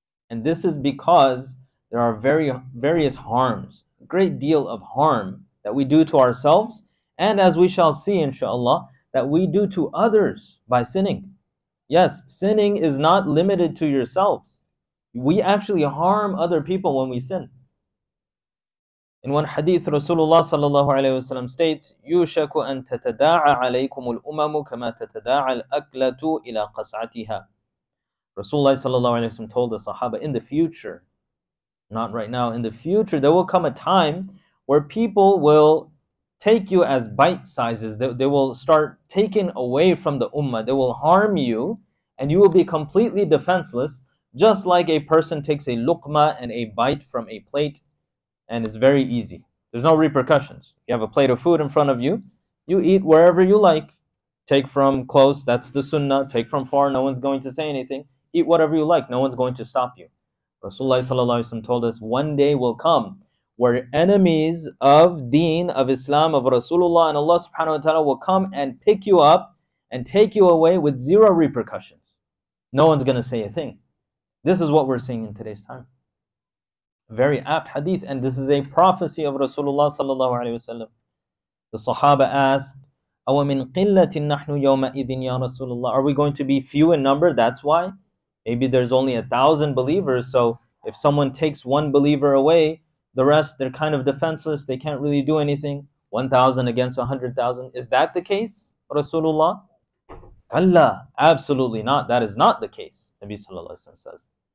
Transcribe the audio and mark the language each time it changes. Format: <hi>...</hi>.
<en>And this is because there are various harms, a great deal of harm that we do to ourselves, and as we shall see, inshallah, that we do to others by sinning. Yes, sinning is not limited to yourselves. We actually harm other people when we sin. In one hadith, Rasulullah sallallahu alayhi wasallam states,</en> <ar>يُوشَكُ أَن تَتَدَاعَ عَلَيْكُمُ الْأُمَمُ كَمَا تَتَدَاعَ الْأَكْلَةُ إِلَىٰ قَسْعَتِهَا.</ar> <en>Rasulullah sallallahu alayhi wasallam told the Sahaba, in the future, not right now, in the future, there will come a time where people will take you as bite sizes. They will start taking away from the ummah. They will harm you and you will be completely defenseless, just like a person takes a luqma and a bite from a plate. And it's very easy. There's no repercussions. You have a plate of food in front of you. You eat wherever you like. Take from close, that's the sunnah. Take from far, no one's going to say anything. Eat whatever you like, no one's going to stop you. Rasulullah sallallahu alaihi wasallam told us, one day will come where enemies of deen, of Islam, of Rasulullah and Allah subhanahu wa ta'ala will come and pick you up and take you away with zero repercussions. No one's going to say a thing. This is what we're seeing in today's time. Very apt hadith, and this is a prophecy of Rasulullah sallallahu alaihi wasallam. The Sahaba asked,</en> <ar>أَوَ مِنْ قِلَّةٍ نَحْنُ يَوْمَئِذٍ يَا رَسُولُ اللَّهِ.</ar> <en>Are we going to be few in number? That's why. Maybe there's only 1,000 believers, so if someone takes one believer away, the rest, they're kind of defenseless, they can't really do anything. 1,000 against 100,000. Is that the case, Rasulullah? Allah, absolutely not. That is not the case, Nabi sallallahu alayhi wa sallam says.</en>